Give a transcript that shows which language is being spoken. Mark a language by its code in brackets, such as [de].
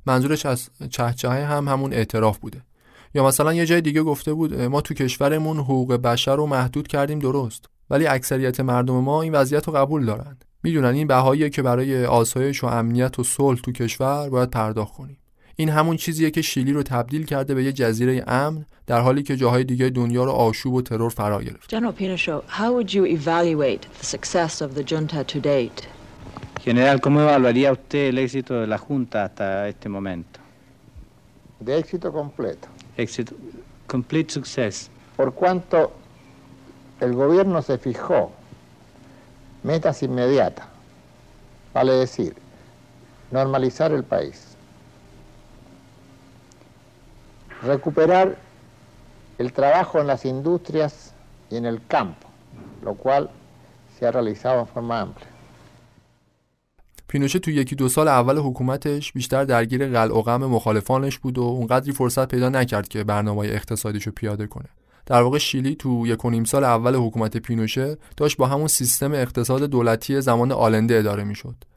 [fa] منظورش از چهچهه هم همون اعتراف بوده. یا مثلا یه جای دیگه گفته بود ما تو کشورمون حقوق بشر رو محدود کردیم، درست، ولی اکثریت مردم ما این وضعیت رو قبول دارن. میدونن این بهایی که برای آسایش و امنیت و صلح تو کشور باید پرداخت کنیم. این همون چیزیه که شیلی رو تبدیل کرده به یه جزیره امن در حالی که جاهای دیگه دنیا رو آشوب و ترور فرا گرفت. [en] General Pinochet, how would you evaluate the success of the junta to date? [es] General, ¿cómo evaluaría usted el éxito de la junta hasta este momento? De éxito completo. [en] Éxito, complete success. [es] Por cuanto el gobierno se fijó metas inmediatas, vale decir, normalizar el país. Recuperar el trabajo en las industrias y en el campo, lo cual se ha realizado en forma amplia. [fa] پینوشه تو یکی دو سال اول حکومتش بیشتر درگیر قلع و قمع مخالفانش بود و اونقدری فرصت پیدا نکرد که برنامه‌های اقتصادیشو پیاده کنه. در واقع شیلی تو یک و نیم سال اول حکومت پینوشه داشت با همون سیستم اقتصاد دولتی زمان آلنده اداره می‌شد.